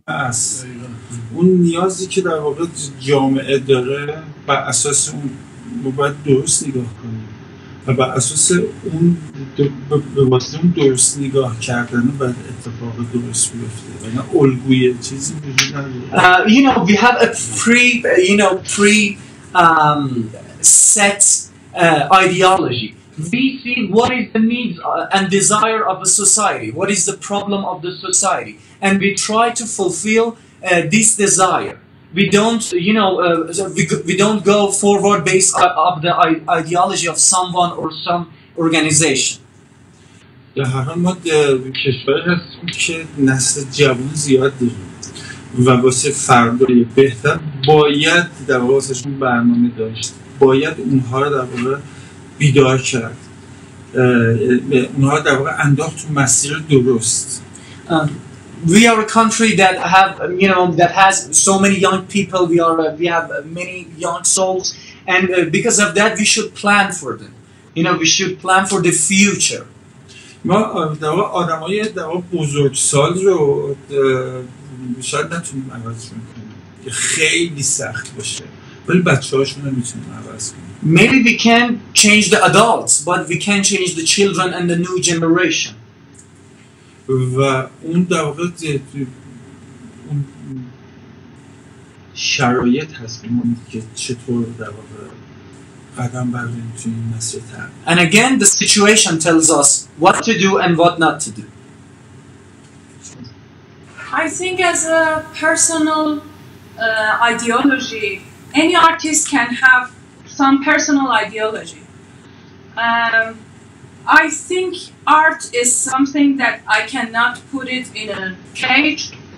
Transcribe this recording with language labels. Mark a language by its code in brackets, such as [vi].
[en] As [fa] اون نیازی که در واقع جامعه داره بر اساس اون باید درست نگاه کنیم و بر اساس اون به واسطه اون درست نگاه کردن باید اتفاق درست بیفته و نه الگوی چیزی وجود نداره [en] you know we have a set ideology we see what is the needs and desire of a society what is the problem of the society and we try to fulfill this desire, we don't, you know, we don't go forward based on the ideology of someone or some organization. [fa] در هر حال ما در کشور هستیم که نسل جوان زیاد داریم و واسه فردای بهتر باید در واسهشون برنامه داشت باید اونها رو در واقع بیدار کرد اونها رو در واقع انداخت تو مسیر درست [en] We are a country that have, you know, that has so many young people. We are, we have many young souls, and because of that, we should plan for them. You know, we should plan for the future. [fa] ما دو آدمای دو بزرگسال رو شاید نتونیم عوض کنیم که خیلی سخت باشه ولی بچه‌هاشون رو میتونیم عوض کنیم. [en] Maybe we can change the adults, but we can change the children and the new generation. [fa] و اون در واقع اون شرایط هست که چطور در واقع قدم برداریم توی این مسیر تر [en] And again the situation tells us what to do and what not to do I think as a personal ideology any artist can have some personal ideology I think art is something that I cannot put it in a cage.